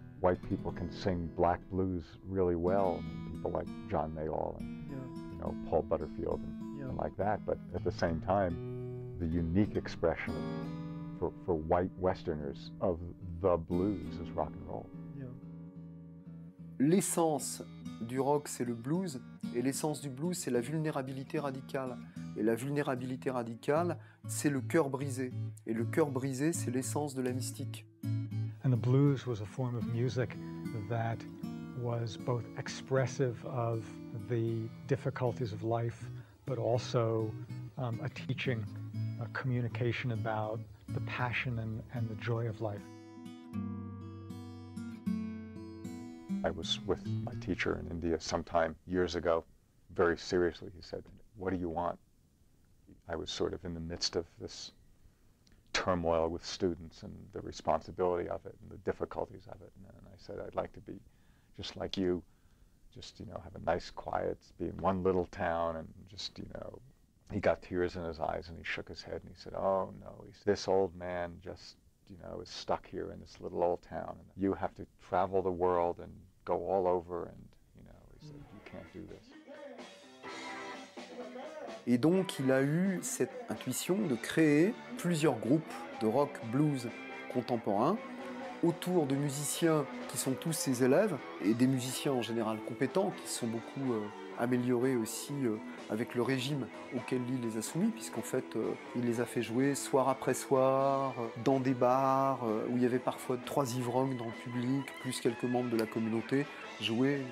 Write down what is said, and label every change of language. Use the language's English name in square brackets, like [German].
[English] White people can sing black blues really well. People like John Mayall and you know, Paul Butterfield and like that. But at the same time, the unique expression for white westerners of the blues is rock and roll. [French] L'essence du rock, c'est le blues. Et l'essence du blues, c'est la vulnérabilité radicale. Et la vulnérabilité radicale, c'est le cœur brisé. Et le cœur brisé, c'est l'essence de la mystique. [English] And the blues was a form of music that was both expressive of the difficulties of life, but also a teaching, a communication about the passion and the joy of life. I was with my teacher in India sometime years ago, very seriously. He said, "What do you want?" I was sort of in the midst of this turmoil with students and the responsibility of it and the difficulties of it. And I said, "I'd like to be just like you, just, you know, have a nice quiet, be in one little town and just, you know." He got tears in his eyes and he shook his head and he said, "Oh no, this old man just, you know, is stuck here in this little old town. And you have to travel the world and go all over and, you know," he said, "you can't do this." [French] Et donc, il a eu cette intuition de créer plusieurs groupes de rock blues contemporains autour de musiciens qui sont tous ses élèves et des musiciens en général compétents qui se sont beaucoup améliorés aussi avec le régime auquel Lee les a soumis, puisqu'en fait, il les a fait jouer soir après soir, dans des bars où il y avait parfois 3 ivrognes dans le public, plus quelques membres de la communauté, jouer.